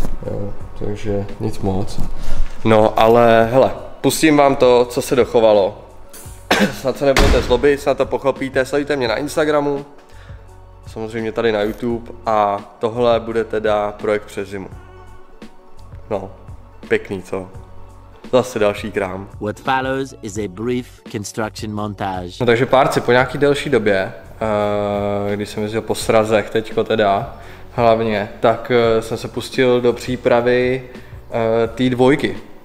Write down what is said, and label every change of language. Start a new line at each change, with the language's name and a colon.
Czech: Jo, takže nic moc. No, ale hele, pustím vám to, co se dochovalo. Snad se nebudete zlobit, snad to pochopíte, sledujte mě na Instagramu, samozřejmě tady na YouTube, a tohle bude teda projekt přes zimu. No, pěkný, co? Zase další krám.
English: What follows is a brief construction montage.
Czech: No takže párci, po nějaký delší době, když jsem jezdil po srazech teďko teda, hlavně, tak jsem se pustil do přípravy té dvojky.